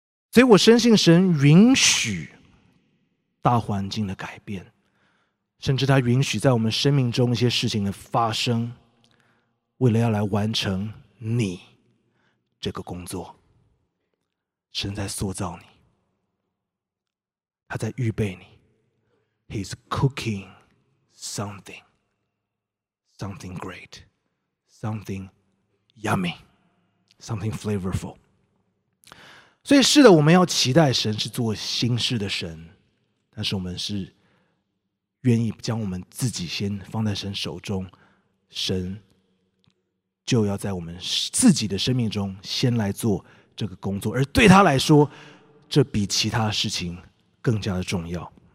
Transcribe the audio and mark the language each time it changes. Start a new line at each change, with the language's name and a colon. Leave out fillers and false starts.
Chinese: 所以我深信神允许大环境的改变，甚至他允许在我们生命中一些事情的发生，为了要来完成你这个工作。神在塑造你，他在预备你。
English: He's cooking somethingSomething great, something yummy, something flavorful.
Chinese: 所以是的，我们要期待神是做新事的神，但是我们是愿意将我们自己先放在神手中，神就要在我们自己的生命中先来做这个工作，而对他来说，这比其他事情更加的重要。